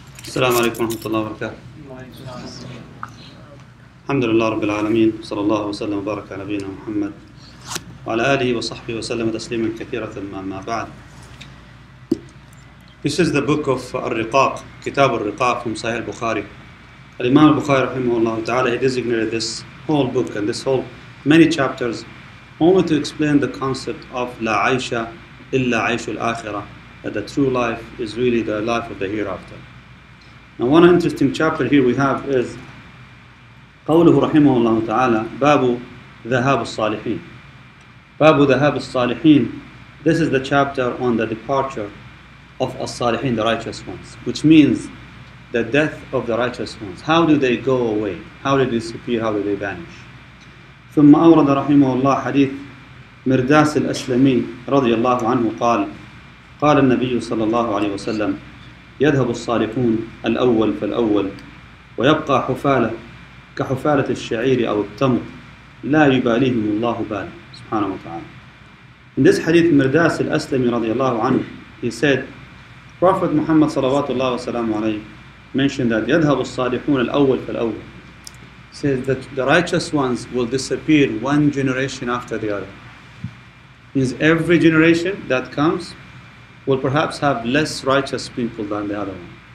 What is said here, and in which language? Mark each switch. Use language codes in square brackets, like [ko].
[ar] السلام عليكم ورحمة الله وبركاته. الحمد لله رب العالمين، صلى الله وسلم وبارك على نبينا محمد وعلى آله وصحبه وسلم تسليما كثيرا ما بعد. [en] This is the book of Riqaq, Kitab Riqaq from Sahih Bukhari. Imam Bukhari [ar] رحمه الله تعالى, [en] he designated this whole book and this whole many chapters only to explain the concept of [ar] لا عيش إلا عيش الآخرة, [en] that the true life is really the life of the hereafter. Now one interesting chapter here we have is [ar] قوله رحمه الله تعالى باب ذهاب الصالحين. باب ذهاب الصالحين, [en] this is the chapter on the departure of الصالحين, the righteous ones, which means the death of the righteous ones. How do they go away? How do they disappear? How do they vanish? [ar] ثم أورد رحمه الله حديث مرداس الأسلمي رضي الله عنه قال قال النبي صلى الله عليه وسلم يذهب الصالحون الأول فالأول ويبقى حفالة كحفالة الشعير أو التمر لا يباليهم الله بال سبحانه وتعالى. [en] In this hadith, مرداس الأسلمي [ar] رضي الله عنه, [en] he said Prophet Muhammad [ar] صلوات الله وسلامه عليه [en] mentioned that [ar] يذهب الصالحون الأول فالأول, [en] says that the righteous ones will disappear one generation after the other. Means every generation that comes will perhaps have less righteous people than the other one.